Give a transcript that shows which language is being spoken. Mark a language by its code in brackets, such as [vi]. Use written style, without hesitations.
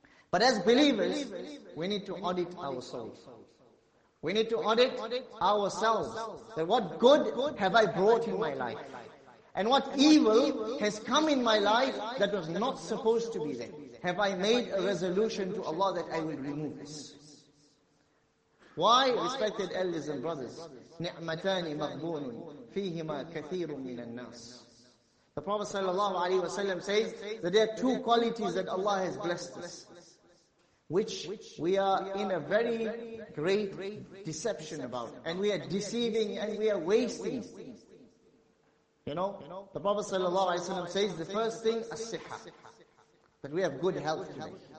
[en] But as believers, we need to audit our souls. We need to audit ourselves. That what good have I brought in my life? And what evil has come in my life that was not supposed to be there? Have I made a resolution to Allah that I will remove this? Why, respected elders and brothers, [ar] نِعْمَتَانِ مَغْبُونٌ فِيهِمَا كَثِيرٌ مِنَ النَّاسِ. [en] The Prophet sallallahu alayhi wa sallam says that there are two qualities that Allah has blessed us, which we are in a very great deception about, and we are deceiving and we are wasting. You know, the Prophet sallallahu alaihi wasallam says the first thing, as-siha, that we have good health today.